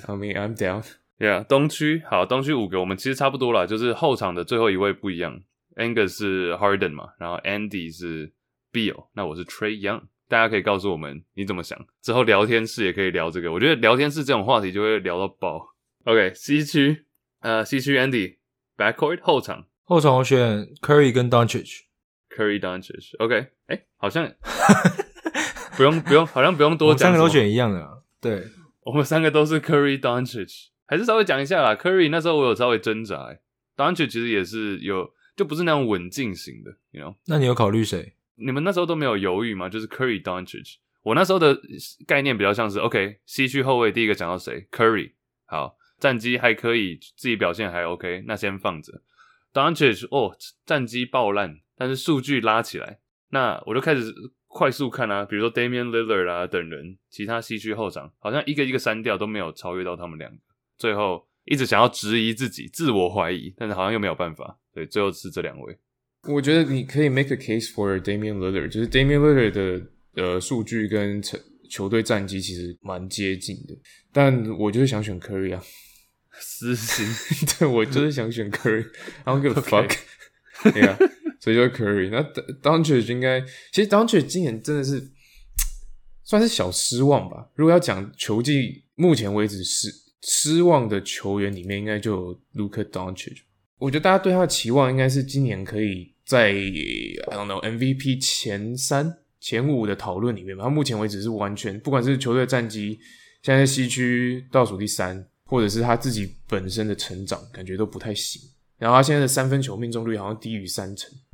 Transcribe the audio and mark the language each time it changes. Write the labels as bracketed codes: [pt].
[en] I mean I'm down yeah。 [zh] 东区好，东区五个我们其实差不多啦，就是后场的最后一位不一样， Angus 是 Harden 嘛，然后 Andy 是 Beal， 那我是 Trae Young，大家可以告诉我们你怎么想，之后聊天室也可以聊这个，我觉得聊天室这种话题就会聊到爆。 OK， C 区C 区 Andy Backcourt 后场我选 Curry 跟 Doncic。 Curry Doncic OK， 诶，好像不用好像不用多讲，我们三个都选一样的啊。对，我们三个都是 Curry Doncic， 还是稍微讲一下啦。Curry 那时候我有稍微挣扎，欸，Doncic 其实也是有，就不是那种稳进型的， [en] you know？ [zh] 那你有考虑谁？你们那时候都没有犹豫吗？就是 Curry Doncic。我那时候的概念比较像是 OK， C 区后卫第一个讲到谁， Curry， 好，战绩还可以，自己表现还 OK， 那先放着。 Doncic 哦，战绩爆烂，但是数据拉起来，那我就开始快速看啊，比如说 Damian Lillard 啊等人，其他 C 区后场好像一个一个删掉，都没有超越到他们两个。最后一直想要质疑自己，自我怀疑，但是好像又没有办法，对，最后是这两位。我觉得你可以 [en] make a case for [zh] Damian Lillard， 就是 Damian Lillard 的数据跟球队战绩其实蛮接近的，但我就是想选 Curry 啊，私心，对，我就是想选 Curry， [en] I don't give a fuck， [zh] yeah， 所以就是 Curry。那 Doncic 应该，其实 Doncic 今年真的是算是小失望吧，如果要讲球技目前为止失望的球员里面，应该就有 Luka Doncic。我觉得大家对他的期望应该是今年可以在 [en] I don't know [zh] MVP 前五的讨论里面吧。他目前为止是完全，不管是球队战绩现在西区倒数第三，或者是他自己本身的成长感觉都不太行，然后他现在的三分球命中率好像低于三成。